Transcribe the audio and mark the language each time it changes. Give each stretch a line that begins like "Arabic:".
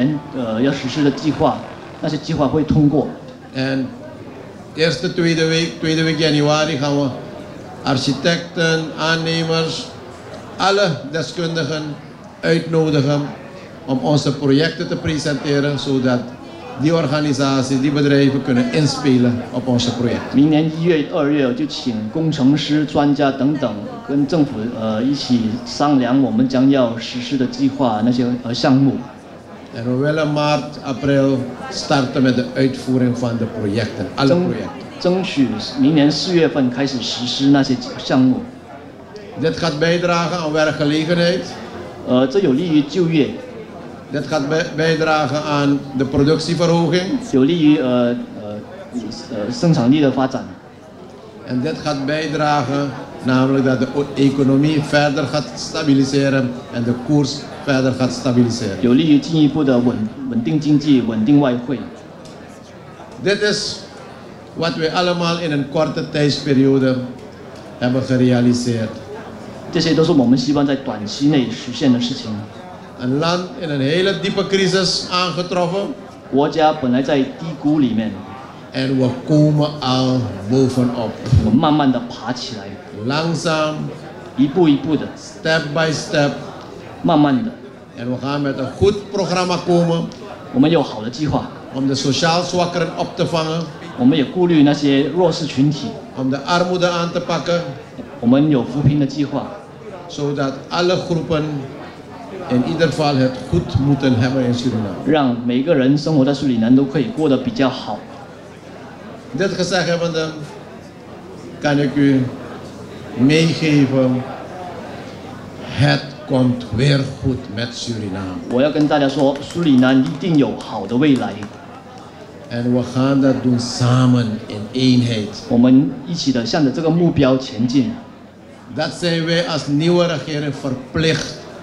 Chinese: 我们将会通过在明年和后年要实施的计划，那些计划会通过.
Dutch: En eerste tweede week januari gaan we architecten, aannemers, alle deskundigen uitnodigen om onze projecten te presenteren, zodat die organisatie, die bedrijven kunnen inspelen op onze projecten.
Chinese: 明年 1月、2月就请工程师、专家等等跟政府一起商量我们将要实施的计划那些项目.
Dutch: En we willen maart, april starten met de uitvoering van de projecten, alle projecten.
Chinese: 争取明年 4月份 开始实施那些项目.
Dutch: Dit gaat bijdragen aan werkgelegenheid.
Chinese: 这有利于就业.
Dutch: Dit gaat bijdragen aan de productieverhoging.
Chinese: 有利于生产力的发展.
Dutch: En dit gaat bijdragen namelijk dat de economie verder gaat stabiliseren en de koers verder gaat stabiliseren.
Chinese: 有利于进一步的稳定经济，稳定外汇.
Dutch: Dit is wat we allemaal in een korte tijdsperiode hebben gerealiseerd.
Chinese: 这些都是我们希望在短期内实现的事情.
Dutch: Een land in een hele diepe crisis aangetroffen.
Chinese: 国家本来在低谷里面.
Dutch: En we komen al bovenop.
Chinese: 我们慢慢地爬起来.
Dutch: Langzaam.
Chinese: 一步一步地.
English: Step by step.
Chinese: 慢慢地.
Dutch: En we gaan met een goed programma komen.
Chinese: 我们有好的计划.
Dutch: Om de sociaal zwakkeren op te vangen.
Chinese: 我们也顾虑那些弱势群体.
Dutch: Om de armoede aan te pakken.
Chinese: 我们有扶贫的计划.
Dutch: Zodat alle groepen in ieder geval het goed moeten hebben in Suriname.
Chinese: 让每个人生活在苏里南都可以过得比较好.
Dutch: Dit gezegd hebbende kan ik u meegeven, het komt weer goed met Suriname.
Chinese: 我要跟大家说，苏里南一定有好的未来.
Dutch: En we gaan dat doen samen in eenheid.
Chinese: 我们一起的向着这个目标前进.
Dutch: Dat zijn wij als nieuwe regering verplicht.